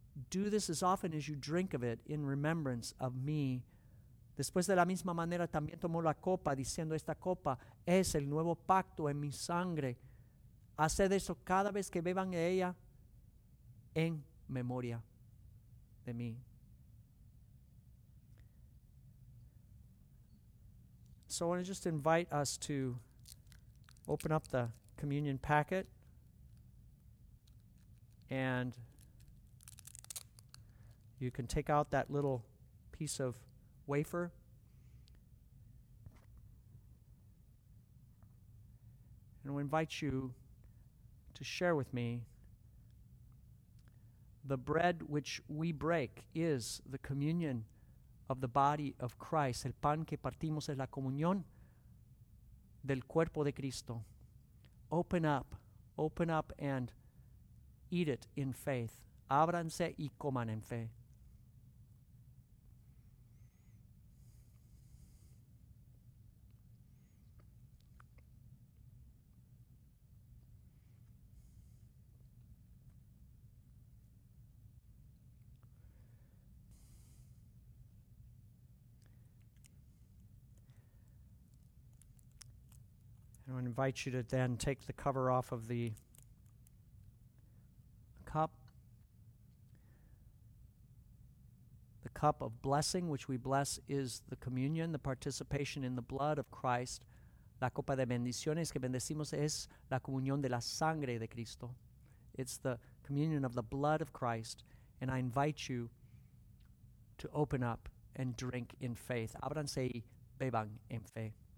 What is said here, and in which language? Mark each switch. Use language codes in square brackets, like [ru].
[en] Do this as often as you drink of it in remembrance of me." [es] Después de la misma manera también tomó la copa diciendo, "Esta copa es el nuevo pacto en mi sangre. Haced eso cada vez que beban de ella en memoria de mí." [en] So I want to just invite us to open up the communion packet and you can take out that little piece of wafer. And I invite you to share with me, "The bread which we break is the communion of the body of Christ." [es] El pan que partimos es la comunión del cuerpo de Cristo. [en] Open up and eat it in faith. [es] Ábranse y coman en fe. [en] I invite you to then take the cover off of the cup. The cup of blessing, which we bless, is the communion, the participation in the blood of Christ. [es] La copa de bendiciones que bendecimos es la comunión de la sangre de Cristo. [en] It's the communion of the blood of Christ. And I invite you to open up and drink in faith. [es] Ábranse y beban en fe.